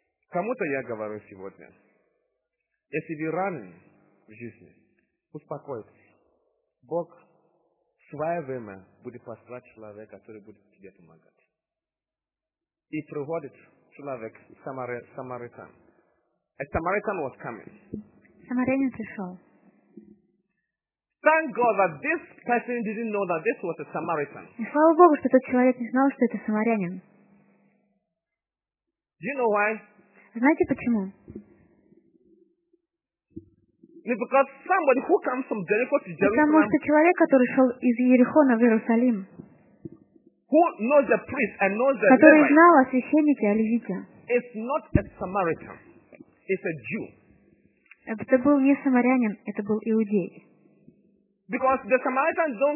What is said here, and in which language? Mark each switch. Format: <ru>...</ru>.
<ru>Кому-то я говорю сегодня, если вы ранены в жизни, успокойтесь. Бог в свое время будет послать человека, который будет тебе помогать. И приходит человек, самаритан.</ru> <en>A Samaritan was coming.</en> <ru>Самарянин пришел.</ru> <en>Thank God that this person didn't know that this was a Samaritan.</en> <ru>И слава Богу, что этот человек не знал, что это самарянин.</ru> <en>Do you know why?</en> <ru>Знаете почему?</ru> <en>Because somebody who comes from Jericho to Jerusalem.</en> <ru>Потому что человек, который шел из Иерихона в Иерусалим,</ru> <en>who knows the priest and knows the</en> <ru>который</ru> <en>Levite,</en> <ru>знал о священнике, о левите,</ru> <en>is not a Samaritan. It's a Jew.</en> <ru>Это был не самарянин, это был иудей.</ru> <en>Because the Samaritan don't</en>